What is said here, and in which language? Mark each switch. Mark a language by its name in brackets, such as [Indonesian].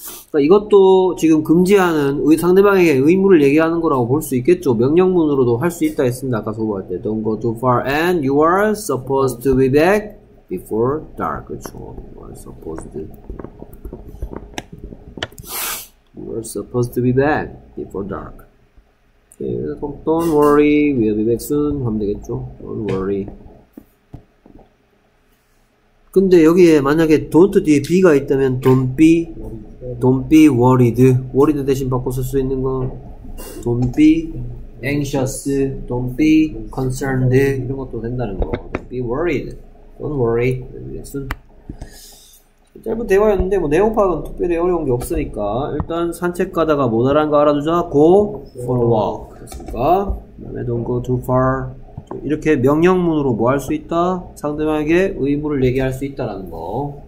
[Korean] 그러니까 이것도 지금 금지하는 우리 상대방에게 의무를 얘기하는 거라고 볼 수 있겠죠. 명령문으로도 할 수 있다 했습니다. 아까 소부할 때 [English] Don't go too far and you are supposed to be back before dark. 그쵸? You are supposed to. You are supposed to be back before dark. Okay, don't worry, we'll be back soon. [Korean] 하면 되겠죠. [English] Don't worry. [Korean] 근데 여기에 만약에 don't 뒤에 be가 있다면 [English] don't be worried. [Korean] worried 대신 바꿔 쓸 수 있는 거 [English] don't be anxious, don't be concerned [Korean] 이런 것도 된다는 거. [English] Don't be worried, don't worry, we'll be back soon. [Korean] 짧은 대화였는데 뭐 내용 파악은 특별히 어려운 게 없으니까 일단 산책 가다가 뭐 나란 거 알아두자. [English] Go for a walk [Korean] 됐습니까? 그 다음에 [English] don't go too far. [Korean] 이렇게 명령문으로 뭐 할 수 있다? 상대방에게 의무를 얘기할 수 있다라는 거.